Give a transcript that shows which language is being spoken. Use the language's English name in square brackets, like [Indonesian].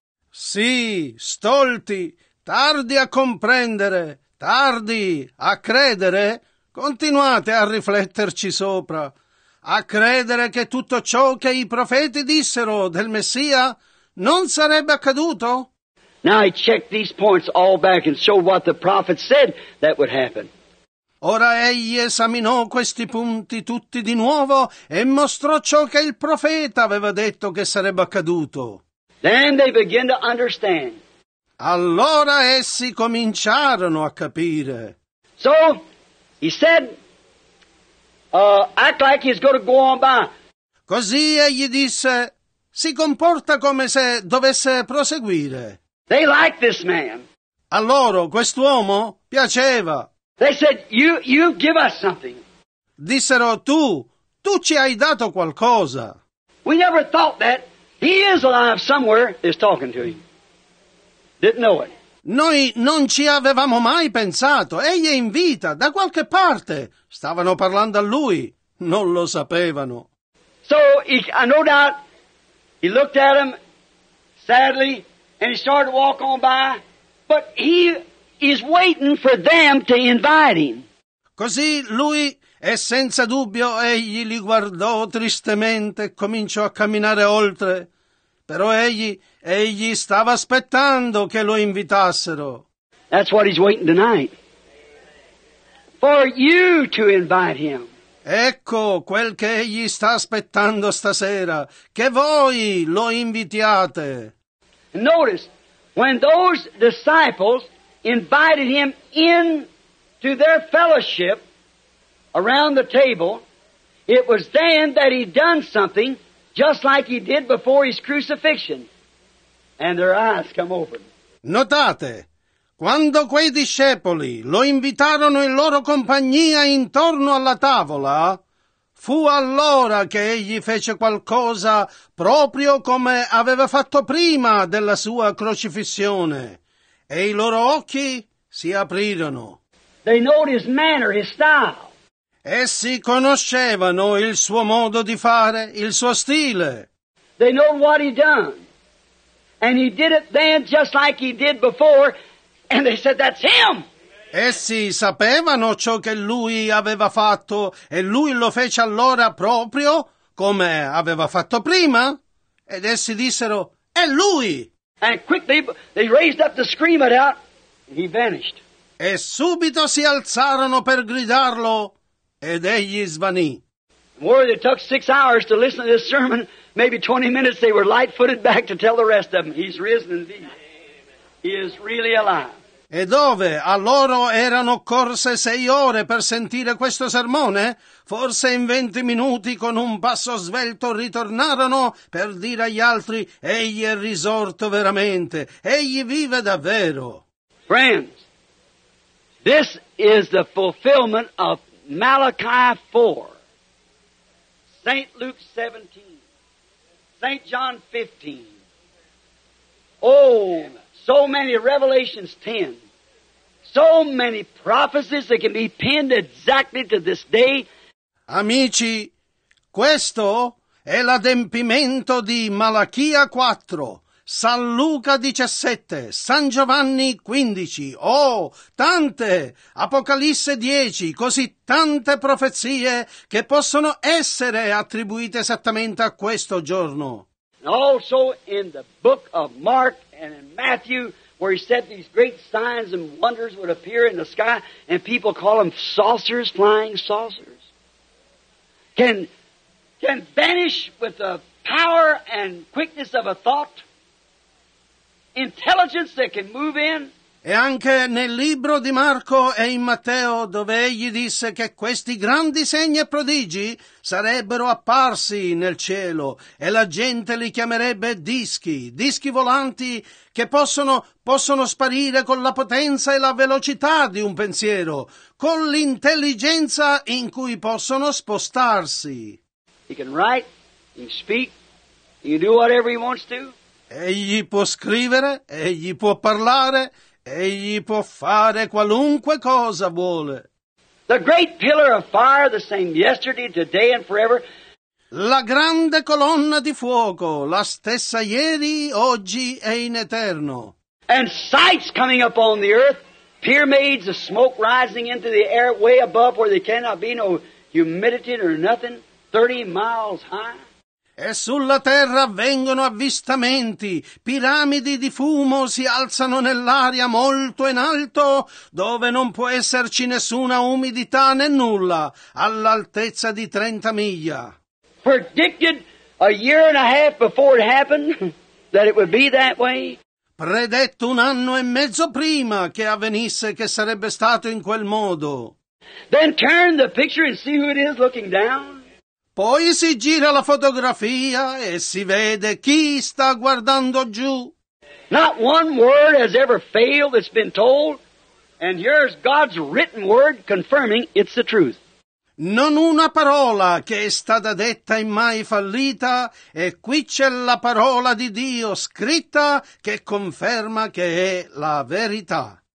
[Italian] Sì, stolti, tardi a comprendere, tardi a credere, continuate a rifletterci sopra, a credere che tutto ciò che i profeti dissero del Messia non sarebbe accaduto? [English] Now he checked these points all back and showed what the prophet said that would happen. [Italian] Ora egli esaminò questi punti tutti di nuovo e mostrò ciò che il profeta aveva detto che sarebbe accaduto. [English] Then they began to understand. [Italian] Allora essi cominciarono a capire. [English] So he said, act like he's going to go on by. [Italian] Così egli disse, si comporta come se dovesse proseguire. [English] They liked this man. [Italian] A loro quest'uomo piaceva. [English] They said, you give us something. [Italian] Dissero, tu ci hai dato qualcosa. [English] We never thought that. He is alive somewhere, is talking to him. Didn't know it. [Italian] Noi non ci avevamo mai pensato. Egli è in vita, da qualche parte. Stavano parlando a lui. Non lo sapevano. [English] So, no doubt, he looked at him, sadly, and he started to walk on by, but he is waiting for them to invite him. [Italian] Così lui, e senza dubbio, egli li guardò tristemente e cominciò a camminare oltre. Però egli stava aspettando che lo invitassero. [English] That's what he's waiting tonight. For you to invite him. [Italian] Ecco quel che egli sta aspettando stasera, che voi lo invitiate. [English] Notice, when those disciples invited him in to their fellowship around the table. It was then that he'd done something just like he did before his crucifixion. And their eyes come open. [Italian] Notate, quando quei discepoli lo invitarono in loro compagnia intorno alla tavola, fu allora che egli fece qualcosa proprio come aveva fatto prima della sua crocifissione, e i loro occhi si aprirono. [English] They noticed his manner, his style. [Italian] Essi conoscevano il suo modo di fare, il suo stile. [English] They know what he done. And he did it then just like he did before, and they said, that's him! [Italian] Essi sapevano ciò che lui aveva fatto, e lui lo fece allora proprio come aveva fatto prima, ed essi dissero, è lui! [English] And quickly they raised up to scream it out, and he vanished. [Italian] E subito si alzarono per gridarlo, ed egli svanì. [English] Where they took 6 hours to listen to this sermon, maybe 20 minutes they were light-footed back to tell the rest of them, he's risen indeed. He is really alive. [Italian] E dove a loro erano corse 6 ore per sentire questo sermone? Forse in 20 minuti con un passo svelto ritornarono per dire agli altri, egli è risorto veramente, egli vive davvero. [English] Friends, this is the fulfillment of Malachi 4, St. Luke 17, St. John 15, oh, so many Revelations 10. So many prophecies that can be pinned exactly to this day. [Italian] Amici, questo è l'adempimento di Malachia 4, San Luca 17, San Giovanni 15, oh, tante, Apocalisse 10, così tante profezie che possono essere attribuite esattamente a questo giorno. [English] And also in the book of Mark and in Matthew, where he said these great signs and wonders would appear in the sky, and people call them saucers, flying saucers, can vanish with the power and quickness of a thought, intelligence that can move in. [Italian] E anche nel libro di Marco e in Matteo, dove egli disse che questi grandi segni e prodigi sarebbero apparsi nel cielo e la gente li chiamerebbe dischi volanti che possono sparire con la potenza e la velocità di un pensiero, con l'intelligenza in cui possono spostarsi. [English] He can write, he can speak, he can do whatever he wants to. [Italian] Egli può scrivere, egli può parlare, egli può fare qualunque cosa vuole. [English] The great pillar of fire, the same yesterday, today and forever. [Italian] La grande colonna di fuoco, la stessa ieri, oggi e in eterno. [English] And sights coming up on the earth, pyramids of smoke rising into the air way above where there cannot be no humidity or nothing, 30 miles high. [Italian] E sulla terra avvengono avvistamenti, piramidi di fumo si alzano nell'aria molto in alto, dove non può esserci nessuna umidità né nulla, all'altezza di 30 miglia. [English] Predicted a year and a half before it happened that it would be that way. [Italian] Predetto un anno e mezzo prima che avvenisse che sarebbe stato in quel modo. [English] Then turn the picture and see who it is looking down. [Italian] Poi si gira la fotografia e si vede chi sta guardando giù. [English] Not one word has ever failed that's been told, and here's God's written word confirming it's the truth. [Italian] Non una parola che è stata detta e mai fallita, e qui c'è la parola di Dio scritta che conferma che è la verità.